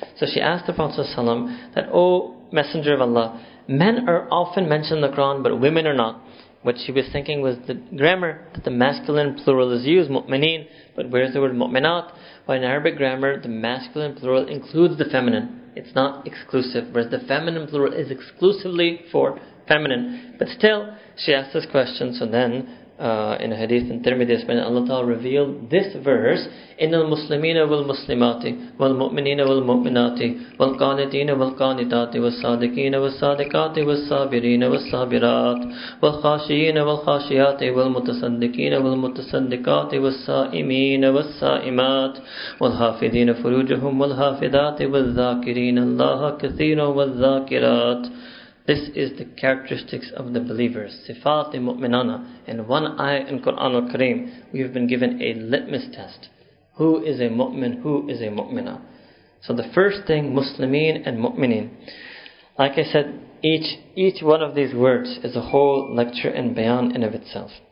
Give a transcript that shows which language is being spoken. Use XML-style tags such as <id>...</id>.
<en>So she asked the Prophet ﷺ that, O Messenger of Allah, men are often mentioned in the Quran, but women are not. What she was thinking was the grammar, that the masculine plural is used, mu'mineen, but where is the word mu'minat? Well, in Arabic grammar, the masculine plural includes the feminine. It's not exclusive, whereas the feminine plural is exclusively for feminine. But still, she asked this question, so then, in a hadith in Tirmidhi, when Allah Ta'ala revealed this verse,</en> <ar>إِنَّ الْمُسْلِمِينَ وَالْمُسْلِمَاتِ وَالْمُؤْمِنِينَ وَالْمُؤْمِنَاتِ وَالْقَانِتِينَ وَالْقَانِتَاتِ وَالصَّادِقِينَ وَالصَّادِقَاتِ وَالصَّابِرِينَ وَالصَّابِرَاتِ وَالْخَاشِعِينَ وَالْخَاشِعَاتِ وَالْمُتَصَدِّقِينَ وَالْمُتَصَدِّقَاتِ وَالصَّائِمِينَ وَالصَّائِمَاتِ وَالْحَافِظِينَ فُرُوجَهُمْ وَالْحَافِظَاتِ وَالذَّاكِرِينَ اللَّهَ كَثِيرًا وَالذَّاكِرَاتِ.</ar> <en>This is the characteristics of the believers. Sifat-i mu'minana. In one ayah in Quran al-Kareem, we have been given a litmus test. Who is a mu'min? Who is a mu'mina? So the first thing, muslimin and mu'minin. Like I said, each one of these words is a whole lecture and bayan in of itself.</en>